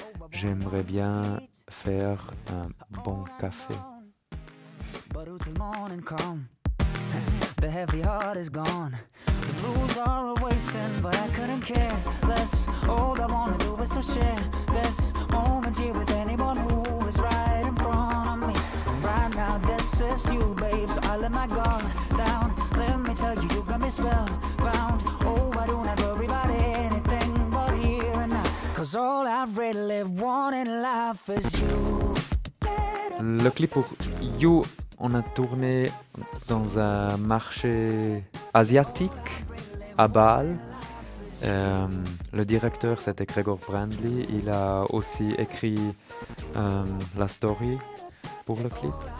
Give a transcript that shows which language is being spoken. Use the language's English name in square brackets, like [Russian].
[French] J'aimerais bien faire un bon café. [English] But until morning come, the heavy heart is gone. The blues are a wasting, but I couldn't care less. All I wanna do is to share this moment here with anyone who is right in front of me. And right now, this is you, babe. So I let my guard down. Let me tell you, you got me spellbound. Oh, I don't have to worry about anything but here and now. 'Cause all I've really wanted in life is you. [French] Le clip pour You, on a tourné dans un marché asiatique à Bâle. Le directeur, c'était Gregor Brandley. Il a aussi écrit la story pour le clip.